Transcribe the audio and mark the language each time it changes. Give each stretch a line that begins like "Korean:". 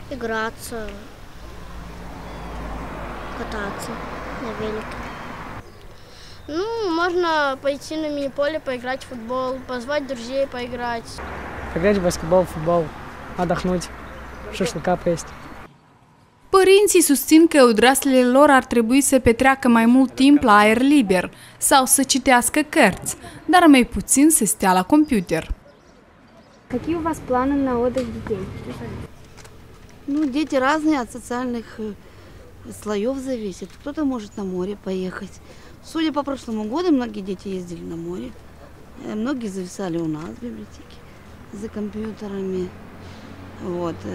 Russian: Играться, кататься на велике. Ну, можно пойти на мини-поле, поиграть в футбол, позвать друзей, поиграть. Поиграть в баскетбол, в футбол, отдохнуть, шашлыка поесть.
Romanian: Părinții susțin că odraslele lor ar trebui să petreacă mai mult timp la aer liber sau să citească cărți, dar mai puțin să stea la computer.
Russian: Какие у вас планы на отдых детей? Ну, дети разные, от социальных слоев зависит. Кто-то может на море поехать. Судя по прошлому году, многие дети ездили на море, многие зависали у нас в библиотеке за компьютерами. Вот.